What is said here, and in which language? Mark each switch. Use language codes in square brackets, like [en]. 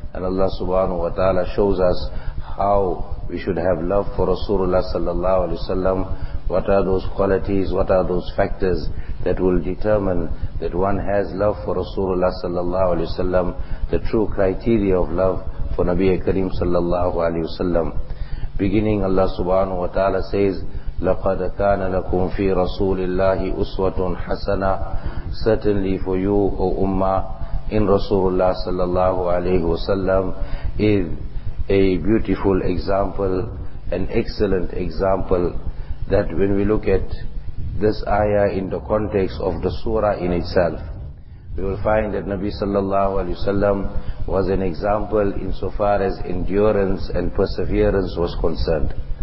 [en] And Allah subhanahu wa ta'ala shows us how we should have love for Rasulullah sallallahu alayhi wasallam. What are those qualities, what are those factors that will determine that one has love for Rasulullah sallallahu alayhi wasallam, the true criteria of love for Nabi Kareem sallallahu alayhi wasallam. Beginning, Allah subhanahu wa ta'ala says, [ar] لَقَدْ كَانَ لَكُمْ فِي رَسُولِ اللَّهِ أُسْوَةٌ حَسَنَةٌ. [en] Certainly for you, O Ummah, in Rasulullah sallallahu alayhi wasallam is a beautiful example, an excellent example. That when we look at this ayah in the context of the surah in itself, we will find that Nabi sallallahu alayhi wasallam was an example insofar as endurance and perseverance was concerned.